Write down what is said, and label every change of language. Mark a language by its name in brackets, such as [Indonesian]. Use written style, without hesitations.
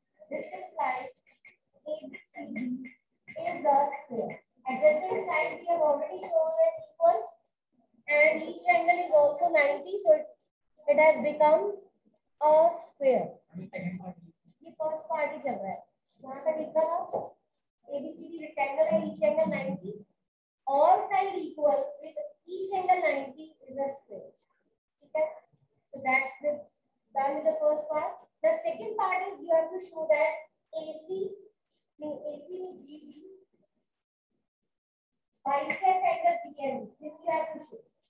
[English] This implies ABCD is a square. Adjacent side we have already shown as equal. And each angle is also 90, so it has become a square. The first part is over. [Hindi] यहाँ पर लिखा था ABCD rectangle है, [English] each angle 90. All side equal with each angle 90 is a square. [Hindi] ठीक है? [English] So that's the done with the first part. The second part is you have to show that AC में BB bisect angle BN. This you have to show.